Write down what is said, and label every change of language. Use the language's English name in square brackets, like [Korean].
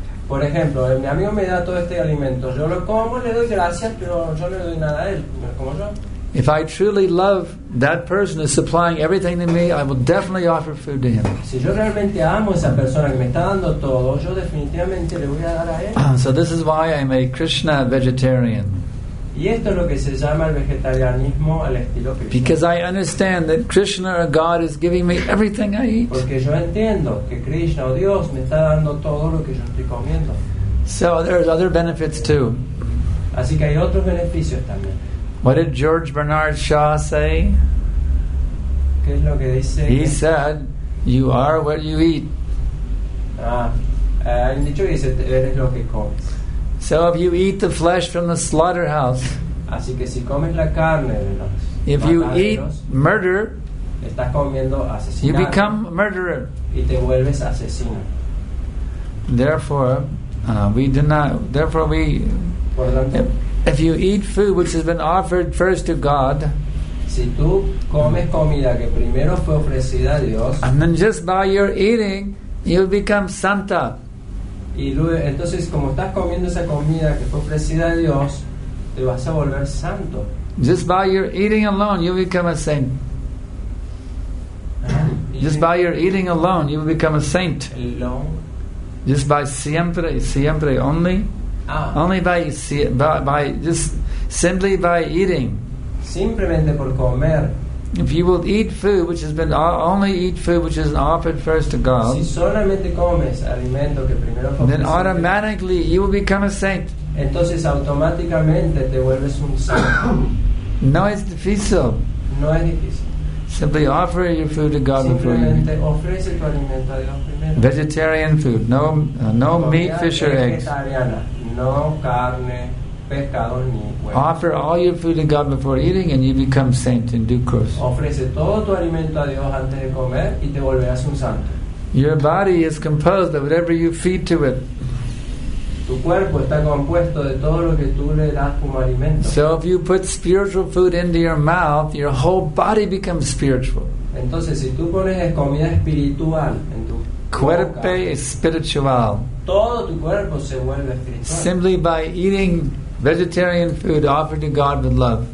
[Spanish] Por ejemplo, mi amigo me da todo este alimento, yo lo como, le doy gracias, pero yo no le doy nada a él, como yo. [English] If I truly love that person who's supplying everything to me, I will definitely offer food to him. [Spanish] Si yo realmente amo a esa persona que me está dando todo, yo definitivamente le voy a dar a él. [English] So this is why I'm a Krishna vegetarian. [Spanish] Y esto es lo que se llama el vegetarianismo al estilo Krishna. [English] Because I understand that Krishna or God is giving me everything I eat. [Spanish] Porque yo entiendo que Krishna o Dios me está dando todo lo que yo estoy comiendo. [English] So there's other benefits too. [Spanish] Así que hay otros beneficios también. [English] What did George Bernard Shaw say? [Spanish] ¿Qué es lo que dice? [English] He said, you are what you eat. [Spanish] Ah, dicho que dice, eres lo que comes. [English] So if you eat the flesh from the slaughterhouse, [Spanish] así que si comes la carne de los [English] if you eat murder, [Spanish] estás comiendo asesinato, [English] you become a murderer. [Spanish] Y te vuelves asesino. [English] Therefore, we do not. Therefore, we. [Spanish] Por tanto, [English] if you eat food which has been offered first to God, [Spanish] si tú comes comida que primero fue ofrecida a Dios, [English] and then just by your eating, you become santa. [Spanish] Y luego, entonces, como estás comiendo esa comida que fue ofrecida a Dios, te vas a volver santo. [English] Just by your eating alone, you become a saint. Just by your eating alone, you will become a saint. Alone. Just by [Spanish] siempre, [English] only. Ah. Only by just simply by eating. [Spanish] Simplemente por comer. [English] If you will eat food which has been only eat food which is offered first to God, [Spanish] si solamente comes alimento que primero fue [English] then automatically [Spanish] primero, [English] you will become a saint. [Spanish] Entonces automáticamente te vuelves un santo. No es difícil. No es difícil. [English] Simply offer your food to God before you eat. [Spanish] Ofrece tu alimento a Dios primero. [English] Vegetarian food, no meat, fish, or eggs. [Spanish] No carne, pescado, ni huevo. [English] Offer all your food to God before eating, and you become saint in due course. [Spanish] Ofrece todo tu alimento a Dios antes de comer y te volverás un santo. [English] Your body is composed of whatever you feed to it. [Spanish] Tu cuerpo está compuesto de todo lo que tú le das como alimento. [English] So if you put spiritual food into your mouth, your whole body becomes spiritual. [Spanish] Entonces, si tú pones comida espiritual en tu cuerpo boca, espiritual. Todo tu cuerpo se vuelve espiritual. [English] Simply by eating vegetarian food offered to God with love.